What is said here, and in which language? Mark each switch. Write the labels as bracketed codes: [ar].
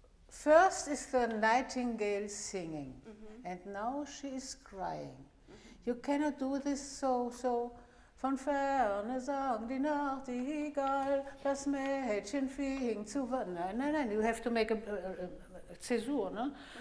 [en] First is the nightingale singing, and now she is crying. You cannot do this so. [de] Von ferne sang die Nachtigall, das Mädchen fing zu wandern. [en] Nein, you have to make a caesure, no?